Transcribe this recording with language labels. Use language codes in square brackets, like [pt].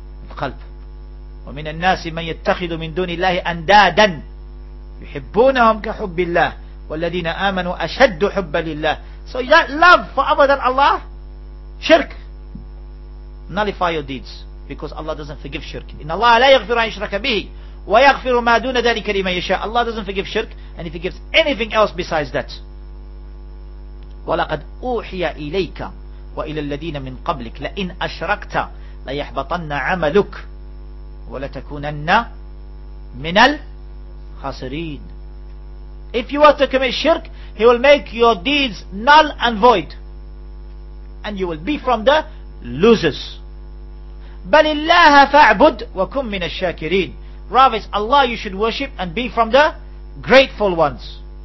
[ar] Al-qalb. وَمِنَ النَّاسِ مَنْ يَتَّخِذُ مِنْ دُونِ اللَّهِ أَنْدَادًا يُحِبُّونَهُمْ كَحُبِّ اللَّهِ وَالَّذِينَ آمَنُوا أَشَدُّ حُبَّ لِلَّهِ. [en] So that love for other than Allah, shirk, nullify your deeds, because Allah doesn't forgive shirk. [ar] إن الله لا يغفر أن يشرك به ويغفر ما دون ذلك لمن يشاء. [en] Allah doesn't forgive shirk, and if He gives anything else besides that. [ar] ولقد أوحي إليك وإلى الذين من قبلك لئن أشركت ليحبطن عملك ولتكونن من الخاسرين. [en] If you were to commit shirk, He will make your deeds null and void, and you will be from the losers. [ar] بَلِ اللَّهَ فَاعْبُدْ وَكُمْ مِنَ الشَّاكِرِينَ. [en] Rather, it's Allah you should worship and be from the grateful ones.